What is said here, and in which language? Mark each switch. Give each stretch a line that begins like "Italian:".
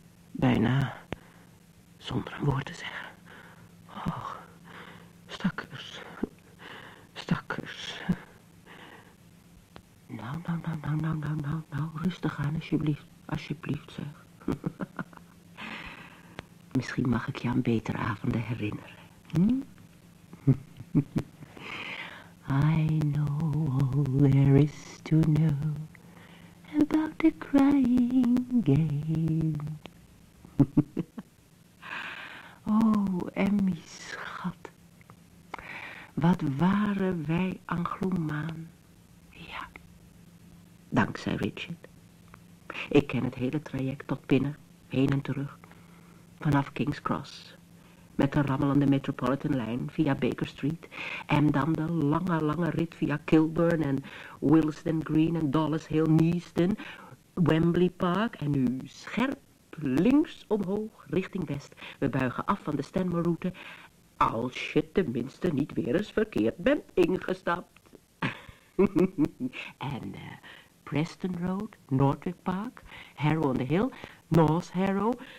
Dutch: Bijna zonder een woord te zeggen. Och, stakkers. Stakkers. Nou, rustig aan alsjeblieft. Alsjeblieft, zeg. Misschien mag ik je aan betere avonden herinneren.
English: I know all there is to know about the crying game.
Dutch: Oh, Emmy schat. Wat waren wij Anglomaan. Ja, dankzij Richard. Ik ken het hele traject tot binnen, heen en terug. Vanaf King's Cross, met de rammelende Metropolitan Line via Baker Street. En dan de lange, lange rit via Kilburn en Willesden Green en Dollis Hill, Neasden, Wembley Park. En nu scherp links omhoog richting west. We buigen af van de Stanmore route. Als je tenminste niet weer eens verkeerd bent ingestapt. En Preston Road, Northwick Park, Harrow on the Hill, North Harrow.